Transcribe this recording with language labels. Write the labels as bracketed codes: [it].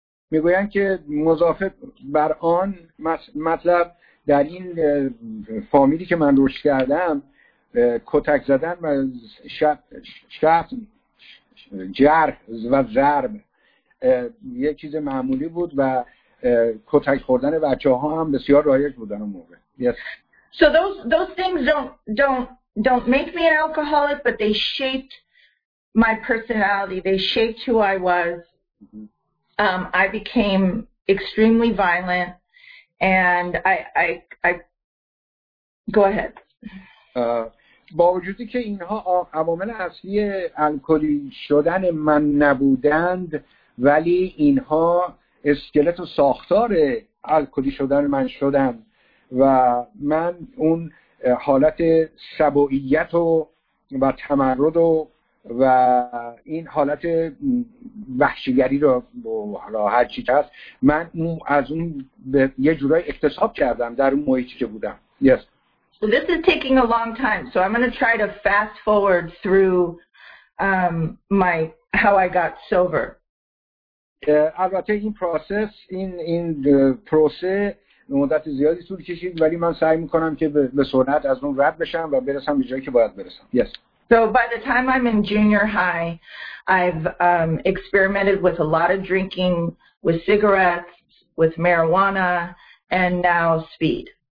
[fa] میگویند که مضافه بر آن مطلب، در این فامیلی که من رشد کردم کتک زدن و شفت جرح و ضرب یک چیز معمولی بود و کتک خوردن بچه ها هم بسیار رایج بودن اون موقع. [en] Yes. So those things don't make me an alcoholic, but they shaped my personality. They shaped who I was. I became extremely violent, and I go ahead. [fa] با وجودی که اینها عوامل اصلی الکلی شدن من نبودند، ولی اینها اسکلت و ساختار الکلی شدن من شدند و من اون حالت سبوعیت و تمرد و این حالت وحشیگری رو حالا هر چی هست من از اون یه جورای اکتساب کردم در اون محیطی که بودم. [en] Yes. So this is taking a long time, so I'm going to try to fast forward through my how I got sober. [fa] البته این پروسس این پروسه مدت زیادی طول کشید، ولی من سعی میکنم که به سرعت از اون رد بشم و برسم به جایی که باید برسم. [en] Yes. So by the time I'm in junior high, I've experimented with a lot of drinking, with cigarettes, with marijuana, and now speed.